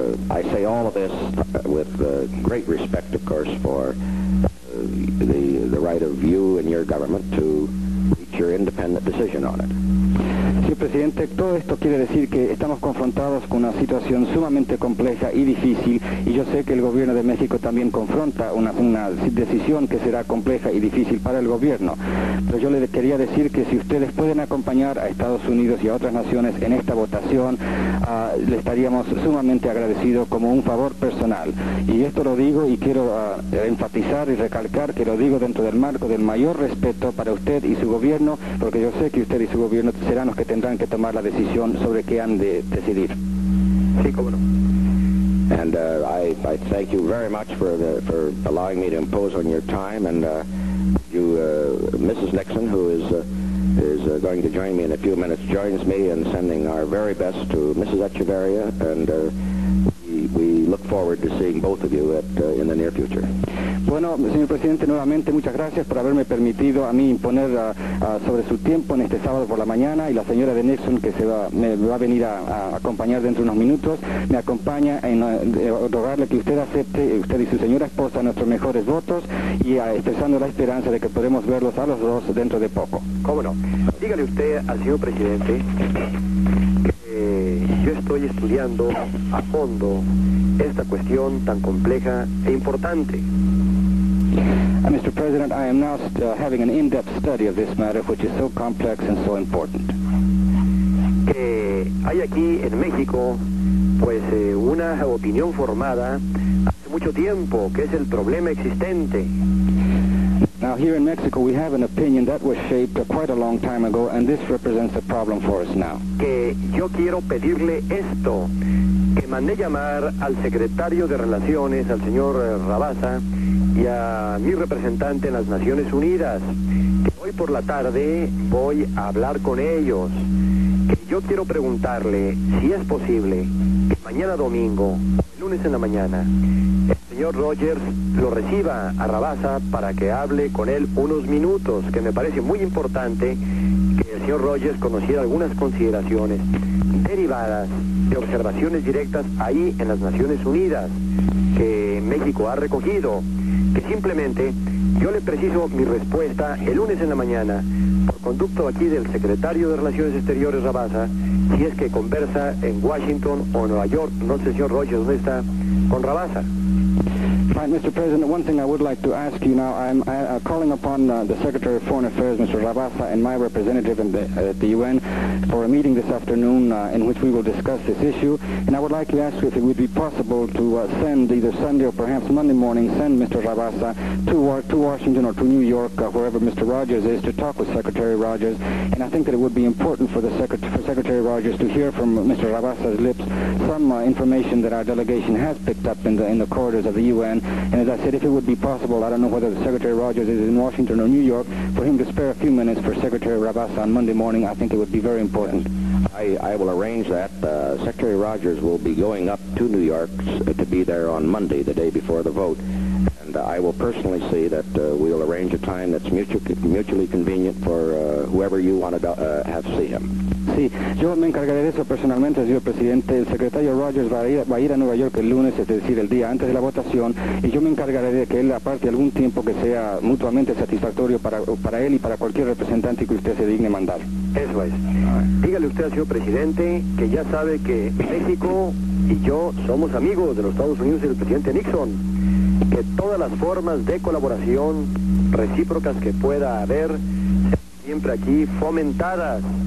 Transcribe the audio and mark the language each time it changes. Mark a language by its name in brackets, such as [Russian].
[English] I say all of this with great respect, of course, for the right of you and your government to reach your independent decision on it. [Spanish] Señor presidente, todo esto quiere decir que estamos confrontados con una situación sumamente compleja y difícil, y yo sé que el gobierno de México también confronta una decisión que será compleja y difícil para el gobierno. Pero yo le quería decir que si ustedes pueden acompañar a Estados Unidos y a otras naciones en esta votación, le estaríamos sumamente agradecidos como un favor personal. Y esto lo digo y quiero enfatizar y recalcar que lo digo dentro del marco del mayor respeto para usted y su gobierno, porque yo sé que usted y su gobierno serán los que tendrán que tomar la decisión sobre qué han de decidir. Sí, cómo no. [English] And I thank you very much for allowing me to impose on your time, and Mrs. Nixon, who is going to join me in a few minutes, joins me in sending our very best to Mrs. Echeverria, and we look forward to seeing both of you in the near future. [Spanish] Bueno, señor presidente, nuevamente muchas gracias por haberme permitido a mí imponer sobre su tiempo en este sábado por la mañana, y la señora de Nixon, que me va a venir a acompañar dentro de unos minutos, me acompaña en rogarle que usted acepte, usted y su señora esposa, nuestros mejores votos, y expresando la esperanza de que podemos verlos a los dos dentro de poco. ¿Cómo no? Dígale usted al señor presidente que yo estoy estudiando a fondo esta cuestión tan compleja e importante. [English] Mr. President, I am now having an in-depth study of this matter, which is so complex and so important. [Spanish] Que hay aquí en México, pues, una opinión formada hace mucho tiempo, que es el problema existente. [English] Now, here in Mexico, we have an opinion that was shaped quite a long time ago, and this represents a problem for us now. [Spanish] Que yo quiero pedirle esto, que mandé llamar al secretario de Relaciones, al señor Rabassa, y a mi representante en las Naciones Unidas, que hoy por la tarde voy a hablar con ellos, que yo quiero preguntarle si es posible que mañana domingo, el lunes en la mañana, el señor Rogers lo reciba a Rabassa para que hable con él unos minutos, que me parece muy importante que el señor Rogers conociera algunas consideraciones derivadas de observaciones directas ahí en las Naciones Unidas, que México ha recogido. Que simplemente yo le preciso mi respuesta el lunes en la mañana, por conducto aquí del secretario de Relaciones Exteriores, Rabassa, si es que conversa en Washington o Nueva York, no sé, señor Rogers, ¿dónde está? Con Rabassa. [English] Right, Mr. President, one thing I would like to ask you now, I'm calling upon the Secretary of Foreign Affairs, Mr. Rabassa, and my representative at the UN for a meeting this afternoon in which we will discuss this issue, and I would like to ask you if it would be possible to send either Sunday or perhaps Monday morning, send Mr. Rabassa to Washington or to New York, wherever Mr. Rogers is, to talk with Secretary Rogers, and I think that it would be important for Secretary Rogers to hear from Mr. Rabassa's lips some information that our delegation has picked up in the corridors of the UN. And as I said, if it would be possible, I don't know whether the Secretary Rogers is in Washington or New York, for him to spare a few minutes for Secretary Rabassa on Monday morning, I think it would be very important. Yes. I will arrange that. Secretary Rogers will be going up to New York to be there on Monday, the day before the vote. And I will personally see that we'll arrange a time that's mutually convenient for whoever you want to have see him. [Spanish] Sí, yo me encargaré de eso personalmente, señor presidente. El secretario Rogers va a ir a Nueva York el lunes, es decir, el día antes de la votación, y yo me encargaré de que él aparte algún tiempo que sea mutuamente satisfactorio para él y para cualquier representante que usted se digne mandar. Eso es. Dígale usted al señor presidente que ya sabe que México y yo somos amigos de los Estados Unidos y del presidente Nixon, que todas las formas de colaboración recíprocas que pueda haber siempre aquí fomentadas.